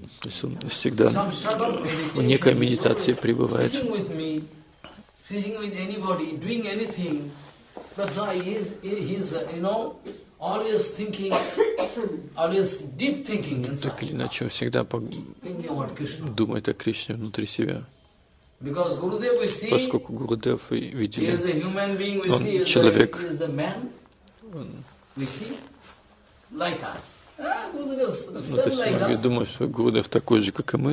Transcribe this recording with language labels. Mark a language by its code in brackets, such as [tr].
[ru] В некой медитации пребывает. [en] Speaking with me, speaking with anybody, doing anything, but he is, you know, always thinking, always deep thinking inside. [ru] Так или иначе, всегда думает о Кришне внутри себя. [en] Because Gurudev, we see. [ru] Поскольку Гурудев и видели. [en] He is a human being. We see. [ru] Он человек. [en] He is a man. We see, like us. [ru] Ну, то есть, они думают, что Гурудев такой же, как и мы.